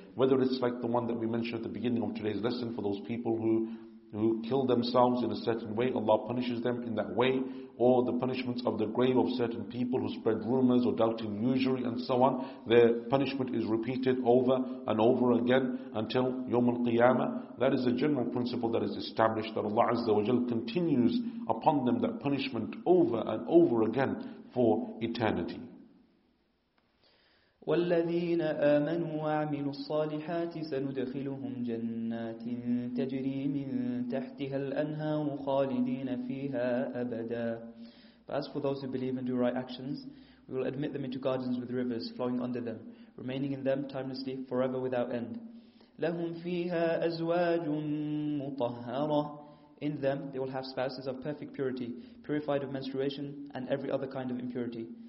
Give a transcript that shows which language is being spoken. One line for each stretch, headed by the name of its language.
English: Whether it's like the one that we mentioned at the beginning of today's lesson, for those people who kill themselves in a certain way, Allah punishes them in that way, or the punishments of the grave of certain people who spread rumors or doubt in usury and so on, their punishment is repeated over and over again until Yawm al-Qiyamah. That is a general principle that is established, that Allah Azza wa Jal continues upon them that punishment over and over again for eternity.
Arabic: والذين آمنوا وعملوا الصالحات سندخلهم جنات تجري من تحتها الأنهار خالدين فيها أبدا
English: But as for those who believe and do right actions, we will admit them into gardens with rivers flowing under them, remaining in them timelessly forever without end.
Arabic: لهم فيها أزواج مطهرة
English: In them they will have spouses of perfect purity, purified of menstruation and every other kind of impurity.